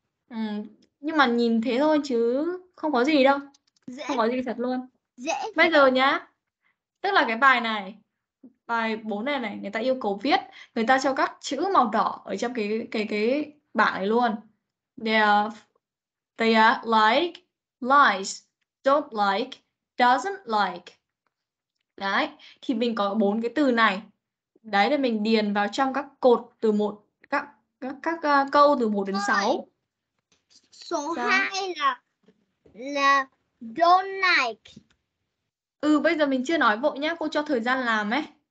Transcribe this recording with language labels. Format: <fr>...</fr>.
<vi>Ừ. Nhưng mà nhìn thế thôi chứ không có gì đâu. Dễ. Không có gì thật luôn. Dễ. Bây giờ nhá. Tức là cái bài này, bài 4 này này, người ta yêu cầu viết, người ta cho các chữ màu đỏ ở trong cái bảng này luôn.</vi> <en>They are like, likes, don't like, doesn't like.</en> <vi>Đấy, thì mình có bốn cái từ này. Đấy là mình điền vào trong các cột từ 1, các câu từ 1 đến 6. Số 2 là</vi> <en>don't like.</en> <vi>Ừ, bây giờ mình chưa nói vội nhá, cô cho thời gian làm ấy.</vi>